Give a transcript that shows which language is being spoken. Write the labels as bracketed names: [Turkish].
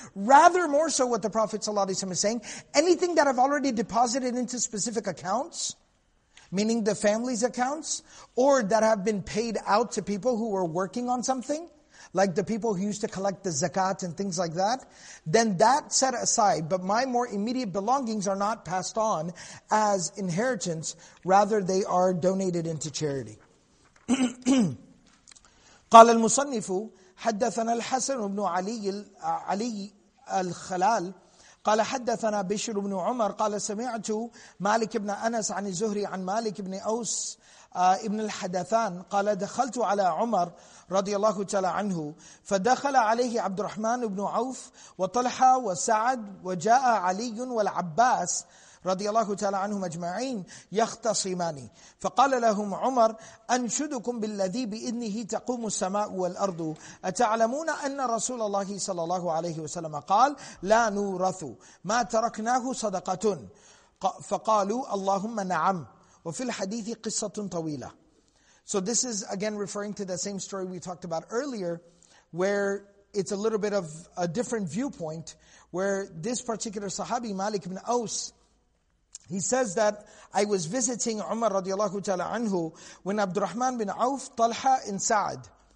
[English] Rather more so what the Prophet ﷺ is saying, anything that I've already deposited into specific accounts, meaning the family's accounts, or that have been paid out to people who were working on something, like the people who used to collect the zakat and things like that, then that set aside. But my more immediate belongings are not passed on as inheritance, rather they are donated into charity. [Arabic] قال المصنف حدثنا الحسن بن علي الخلال قال حدثنا بشر بن عمر قال سمعت مالك بن أنس عن الزهري عن مالك بن أوس ابن الحدثان قال دخلت على عمر رضي الله تعالى عنه فدخل عليه عبد الرحمن بن عوف وطلحة وسعد وجاء علي والعباس رضي الله تعالى عنهم أجمعين يختصماني فقال لهم عمر أنشدكم بالذي بإذنه تقوم السماء والأرض أتعلمون أن رسول الله صلى الله عليه وسلم قال لا نورث ما تركناه صدقة فقالوا اللهم نعم وفي الحديث قصة طويلة. [English] So this is again referring to the same story we talked about earlier where it's a little bit of a different viewpoint where this particular Sahabi Malik ibn Aus he says that I was visiting Umar radiallahu ta'ala anhu when Abdurrahman bin Auf, Talha, and Sa'ad.